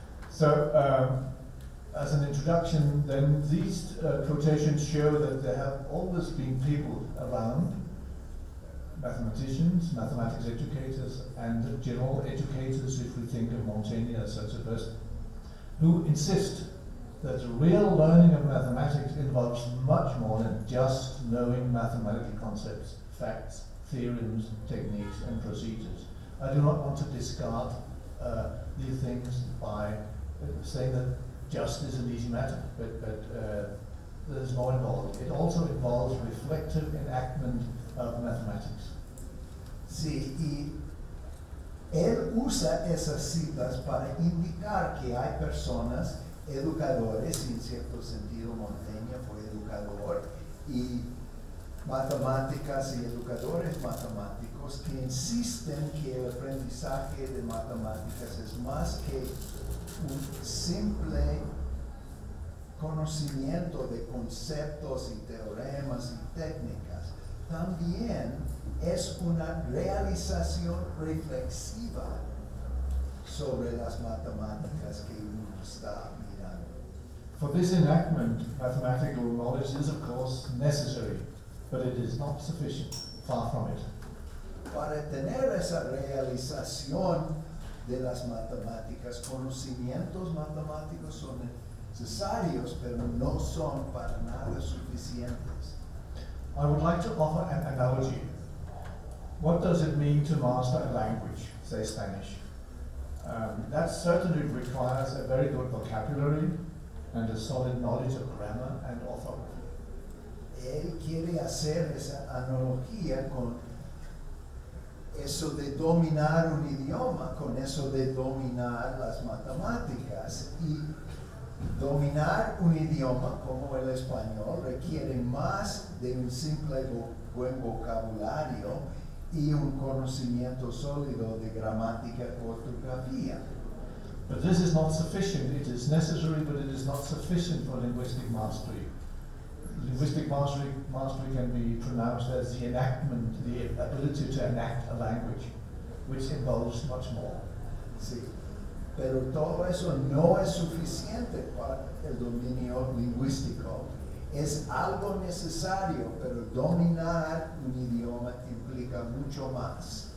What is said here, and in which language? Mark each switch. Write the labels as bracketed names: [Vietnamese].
[English] So, as an introduction, then, these quotations show that there have always been people around, mathematicians, mathematics educators, and general educators, if we think of Montaigne as such a person, who insist that real learning of mathematics involves much more than just knowing mathematical concepts, facts, theorems, techniques, and procedures. I do not want to discard these things by say that just is an easy matter, but there's more involved. It also involves reflective enactment of mathematics. [Spanish] Sí, y él usa esas citas para indicar que hay personas, educadores, en cierto sentido Montaigne fue educador, y matemáticas y educadores matemáticos que insisten que el aprendizaje de matemáticas es más que un simple conocimiento de conceptos y teoremas y técnicas. También es una realización reflexiva sobre las matemáticas que uno está mirando. [English] For this enactment, mathematical knowledge is of course necessary, but it is not sufficient, far from it. [Spanish] Para tener esa realización de las matemáticas, conocimientos matemáticos son necesarios, pero no son para nada suficientes. [English] I would like to offer an analogy. What does it mean to master a language, say Spanish? That certainly requires a very good vocabulary and a solid knowledge of grammar and orthography. [Spanish] Él quiere hacer esa analogía con eso de dominar un idioma, con eso de dominar las matemáticas. Y dominar un idioma como el español requiere más de un simple buen vocabulario y un conocimiento sólido de gramática y ortografía. [English] But this is not sufficient. It is necessary, but it is not sufficient for linguistic mastery. Linguistic mastery can be pronounced as the enactment, the ability to enact a language, which involves much more. [Spanish] Sí, pero todo eso no es suficiente para el dominio lingüístico. Es algo necesario, pero dominar un idioma implica mucho más.